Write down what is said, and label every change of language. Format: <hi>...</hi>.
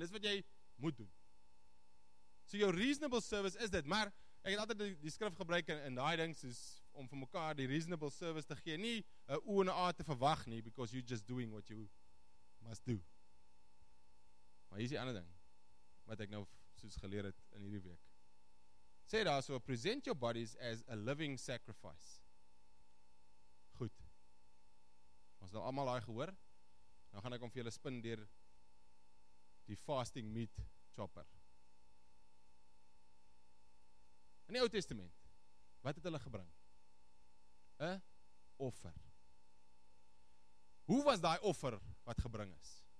<af>Dis wat jy moet doen.</af> <en>So your reasonable service</en> <af>is dit. Maar ek het altyd die skrif gebruik in die ding soos om vir mekaar die reasonable service te gee, nie oa en aa te verwag nie,</af> <en>because you're just doing what you must do.</en> <af>Maar hier is die ander ding, wat ek nou soos geleer het in hierdie week. Sê daar so,</af> <en>present your bodies as a living sacrifice.</en> <af>Goed. Ons het al allemaal daai gehoor, nou gaan ek om vir julle spin deur die fasting meat chopper. In die Ou Testament, wat het hulle gebring? A offer. Hoe was daai offer wat gebring is?</af>